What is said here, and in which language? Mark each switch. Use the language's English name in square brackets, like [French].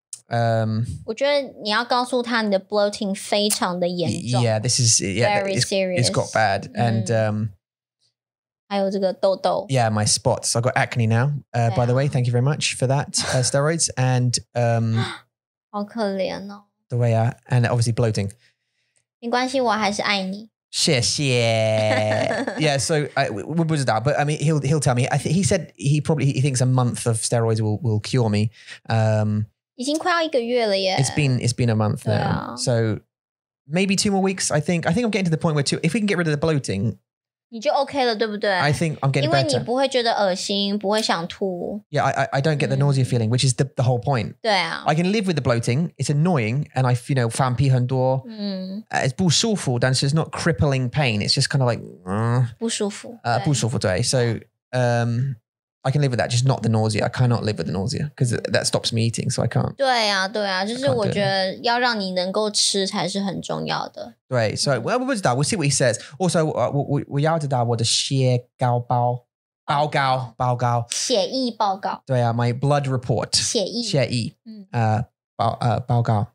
[English] I think you have to tell him that bloating is very serious. Yeah, this is... Yeah, very serious. It's got bad. And... [Chinese] 还有这个痘痘. [English] Yeah, my spots. I've got acne now. By the way, thank you very much for that, steroids. And... [Chinese] 好可怜哦. [English] The way and obviously bloating. [Chinese] 没关系，我还是爱你。谢谢。 [English] Yeah, so we put it out, but I mean, he'll tell me. He thinks a month of steroids will cure me. [Chinese] 已经快要一个月了耶. [English] It's been a month now. So maybe 2 more weeks. I think I'm getting to the point where if we can get rid of the bloating, [Chinese] 你就OK了，对不对？ [English] I think I'm getting better. [Chinese] 因为你不会觉得恶心，不会想吐。 [English] Yeah, I don't get the nausea feeling, which is the whole point. [Chinese] 对啊。 [English] I can live with the bloating. It's annoying, and I, you know, [Chinese] 放屁很多。 [English] It's [Chinese] 不舒服, 但是 [English] it's not crippling pain. It's just kind of like... [Chinese] 不舒服。不舒服,对。 [English] So, I can live with that, just not the nausea. I cannot live with the nausea, because that stops me eating, so I can't. [Chinese] 对啊,对啊, 就是我觉得要让你能够吃才是很重要的。 [English] Right, so we'll see what he says. Also, we are to die with a [Chinese] 血报告,报告,报告. 血液报告. 对啊, [English] my blood report. [Chinese] 血液. 血液.报告.